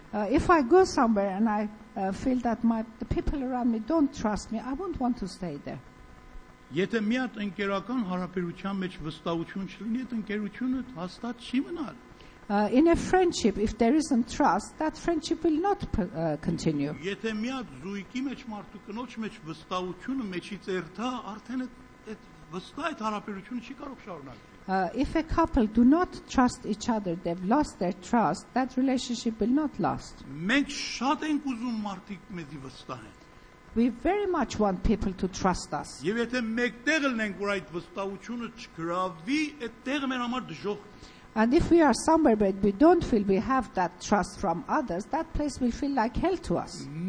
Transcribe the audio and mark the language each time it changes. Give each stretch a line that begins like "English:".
English: If I go somewhere and I feel that the people around me don't trust me, I won't want to stay there.
Armenian: Եթե մի հատ ընկերական հարաբերության մեջ վստահություն չլինի, այդ ընկերությունը հաստատ չի մնալ։
English: In a friendship, if there isn't trust, that friendship will not continue.
Armenian: Եթե մի հատ զույգի մեջ մարդու կնոջ մեջ վստահությունը մեջից երթա, արդեն այդ վստահ այդ հարաբերությունը չի կարող շարունակվել։
English: If a couple do not trust each other, they've lost their trust, that relationship will not last.
Armenian: Մենք շատ ենք ուզում մարդիկ մեզի վստահեն։
English: We very much want people to trust us. And if we are somewhere where we don't feel we have that trust from others, that place will feel like hell to us.